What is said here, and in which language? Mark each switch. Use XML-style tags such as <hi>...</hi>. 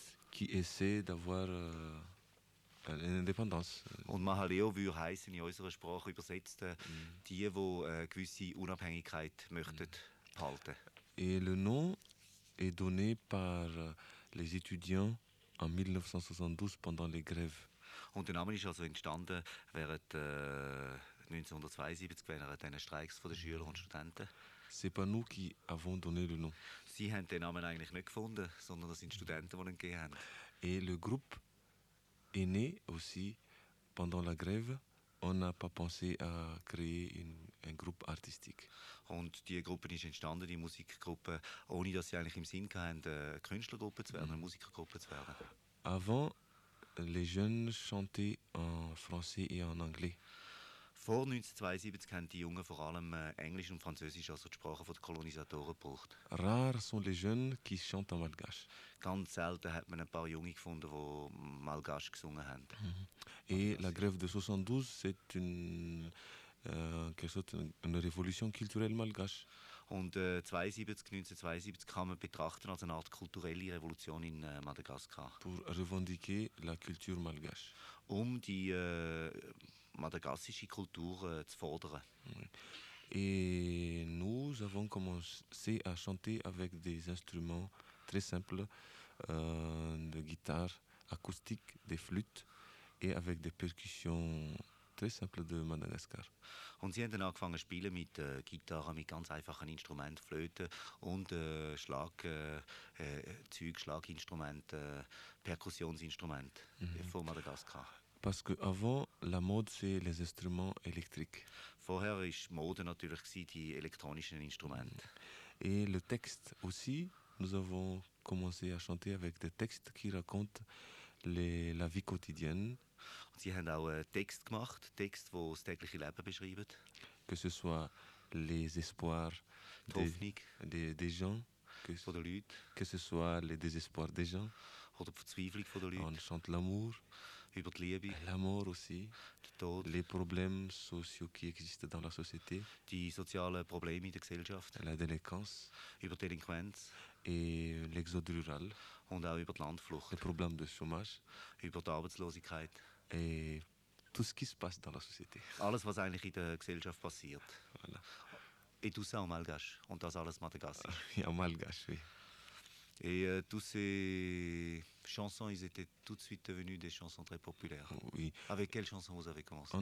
<fr>Qui essaie d'avoir une indépendance.</fr> <de>Und Mahaleo würde heissen in unserer Sprache übersetzt, die, die eine gewisse Unabhängigkeit möchten behalten.</de> <fr>Et le nom est donné par les étudiants en 1972 pendant les grèves.</fr> <de>Und der Name ist also entstanden während 1972, während dieser Streiks von den Schülern und Studenten.</de> <fr>C'est pas nous qui avons donné le nom.</fr> <de>Sie haben den Namen eigentlich nicht gefunden, sondern das sind Studenten, die ihn gegeben haben.</de> <fr>Et le groupe est né aussi pendant la grève. On n'a pas pensé à créer un groupe artistique.</fr> <de>Und die Gruppe ist entstanden, die Musikgruppe, ohne dass sie eigentlich im Sinn gehabt Künstlergruppe zu werden, eine Musikergruppe zu werden.</de> <fr>Avant, les jeunes chantaient en français et en anglais.</fr> <de>Vor 1972 haben die Jungen vor allem Englisch und Französisch, also die Sprache der Kolonisatoren, gebraucht.</de> <fr>Rare sont les jeunes qui chantent en malgache.</fr> <de>Ganz selten hat man ein paar Junge gefunden, die malgache gesungen haben. Mm-hmm.</de> <fr>Et la grève de 72, c'est une, quelque sorte, une révolution culturelle malgache.</fr> <de>Und 1972 kann man betrachten als eine Art kulturelle Revolution in Madagaskar.</de> <fr>Pour revendiquer la culture malgache.</fr> <de>Um die madagassische Kultur zu fordern.</de> <fr>Et nous avons commencé à chanter avec des instruments très simples, de guitare acoustique, des flûtes et avec des percussions très simples de Madagascar.</fr> <de>Und sie haben dann angefangen zu spielen mit Gitarre, mit ganz einfachen Instrumenten, Flöten und Schlaginstrumenten, Perkussionsinstrumente von Madagaskar.</de> <fr>Parce que avant la mode c'est les instruments électriques.</fr> <de>Vorher ist Mode natürlich gsi die elektronischen Instrumente.</de> <fr>Et le texte aussi, nous avons commencé à chanter avec des textes qui racontent la vie quotidienne.</fr> <de>Und sie haben auch Texte gemacht, Texte, wo das tägliche Leben beschreiben.</de> <fr>Que ce soit les espoirs des gens, que ce soit les désespoirs des gens.</fr> <de>Oder die Verzweiflung von den Leuten.</de> <fr>On chante l'amour.</fr> <de>Über die Liebe.</de> <fr>L'amour aussi.</fr> <de>Der Tod.</de> <fr>Les problèmes sociaux qui existent dans la société.</fr> <de>Die sozialen Probleme in der Gesellschaft.</de> <fr>La délinquance.</fr> <de>Über die Delinquenz.</de> <fr>Et l'exode rural.</fr> <de>Und auch über die Landflucht.</de> <fr>Les problèmes de chômage.</fr> <de>Über die Arbeitslosigkeit.</de> <fr>Et tout ce qui se passe dans la société.</fr> <de>Alles, was eigentlich in der Gesellschaft passiert.</de> <fr>Voilà. Et tout ça en malgache.</fr> <de>Und das alles madagassisch.</de> <fr>Ja, malgache, oui. Et tous ces chansons, ils étaient tout de suite devenus des chansons très populaires. Oui. Avec quelles chansons vous avez commencé?</fr>